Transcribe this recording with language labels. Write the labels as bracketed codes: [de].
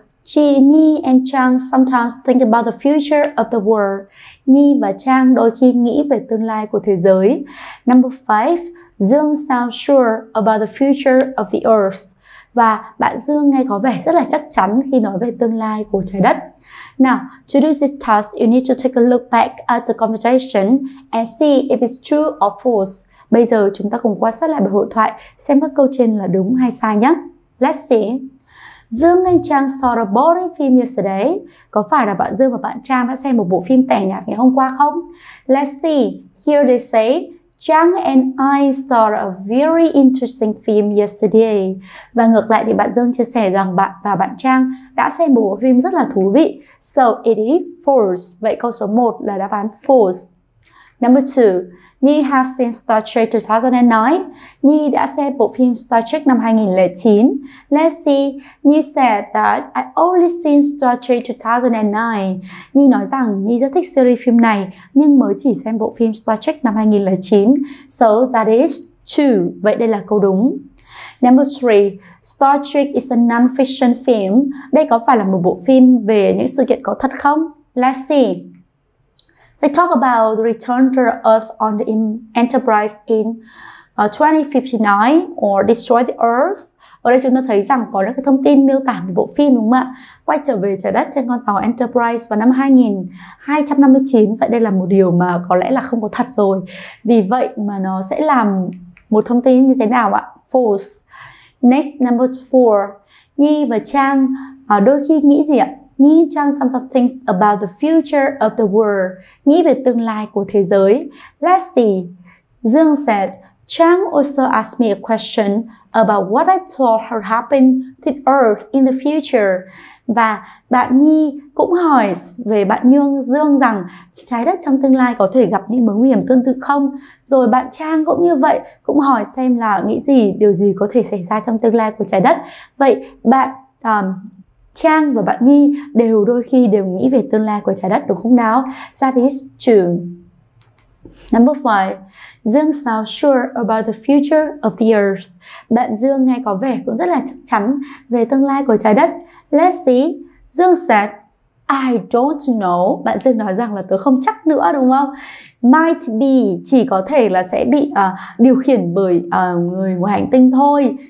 [en] Chi Nhi and Trang sometimes think about the future of the world. [vi] Nhi và Trang đôi khi nghĩ về tương lai của thế giới. [en] Number 5. Dương sounds sure about the future of the Earth. [vi] Và bạn Dương nghe có vẻ rất là chắc chắn khi nói về tương lai của trái đất. [en] Now, to do this task, you need to take a look back at the conversation and see if it's true or false. [vi] Bây giờ chúng ta cùng quan sát lại bài hội thoại xem các câu trên là đúng hay sai nhé. [en] Let's see. Dương anh Trang saw a boring film yesterday. [vi] Có phải là bạn Dương và bạn Trang đã xem một bộ phim tẻ nhạt ngày hôm qua không? [en] Let's see. Here they say, Trang and I saw a very interesting film yesterday. [vi] Và ngược lại thì bạn Dương chia sẻ rằng bạn và bạn Trang đã xem một bộ phim rất là thú vị. [en] So it is false. [vi] Vậy câu số 1 là đáp án false. [en] Number 2. Nhi has seen Star Trek 2009. [vi] Nhi đã xem bộ phim Star Trek năm 2009. [en] Let's see. Nhi said that I only seen Star Trek 2009. [vi] Nhi nói rằng Nhi rất thích series phim này nhưng mới chỉ xem bộ phim Star Trek năm 2009. [en] So that is true. [vi] Vậy đây là câu đúng. [en] Number 3. Star Trek is a non-fiction film. [vi] Đây có phải là một bộ phim về những sự kiện có thật không? [en] Let's see. They talk about the return to Earth on the Enterprise in 2059 or destroy the Earth. [vi] Ở đây chúng ta thấy rằng có những cái thông tin miêu tả về bộ phim đúng không ạ? Quay trở về trái đất trên con tàu Enterprise vào năm 2259. Vậy đây là một điều mà có lẽ là không có thật rồi. Vì vậy mà nó sẽ làm một thông tin như thế nào ạ? [en] False. Next, number 4. [vi] Nhi và Trang đôi khi nghĩ gì ạ? [en] Nhi Trang sometimes thinks about the future of the world. [vi] Nghĩ về tương lai của thế giới. [en] Let's see. Dương said, Trang also asked me a question about what I thought would happen to Earth in the future. [vi] Và bạn Nhi cũng hỏi về bạn Dương rằng trái đất trong tương lai có thể gặp những mối nguy hiểm tương tự không? Rồi bạn Trang cũng như vậy, cũng hỏi xem là nghĩ gì, điều gì có thể xảy ra trong tương lai của trái đất. Vậy bạn Trang và bạn Nhi đều đôi khi đều nghĩ về tương lai của trái đất đúng không nào? [en] That is true. Number 5. Dương sao sure about the future of the Earth. [vi] Bạn Dương nghe có vẻ cũng rất là chắc chắn về tương lai của trái đất. [en] Let's see. Dương said, I don't know. [vi] Bạn Dương nói rằng là tớ không chắc nữa đúng không? [en] Might be, [vi] chỉ có thể là sẽ bị điều khiển bởi người ngoài hành tinh thôi.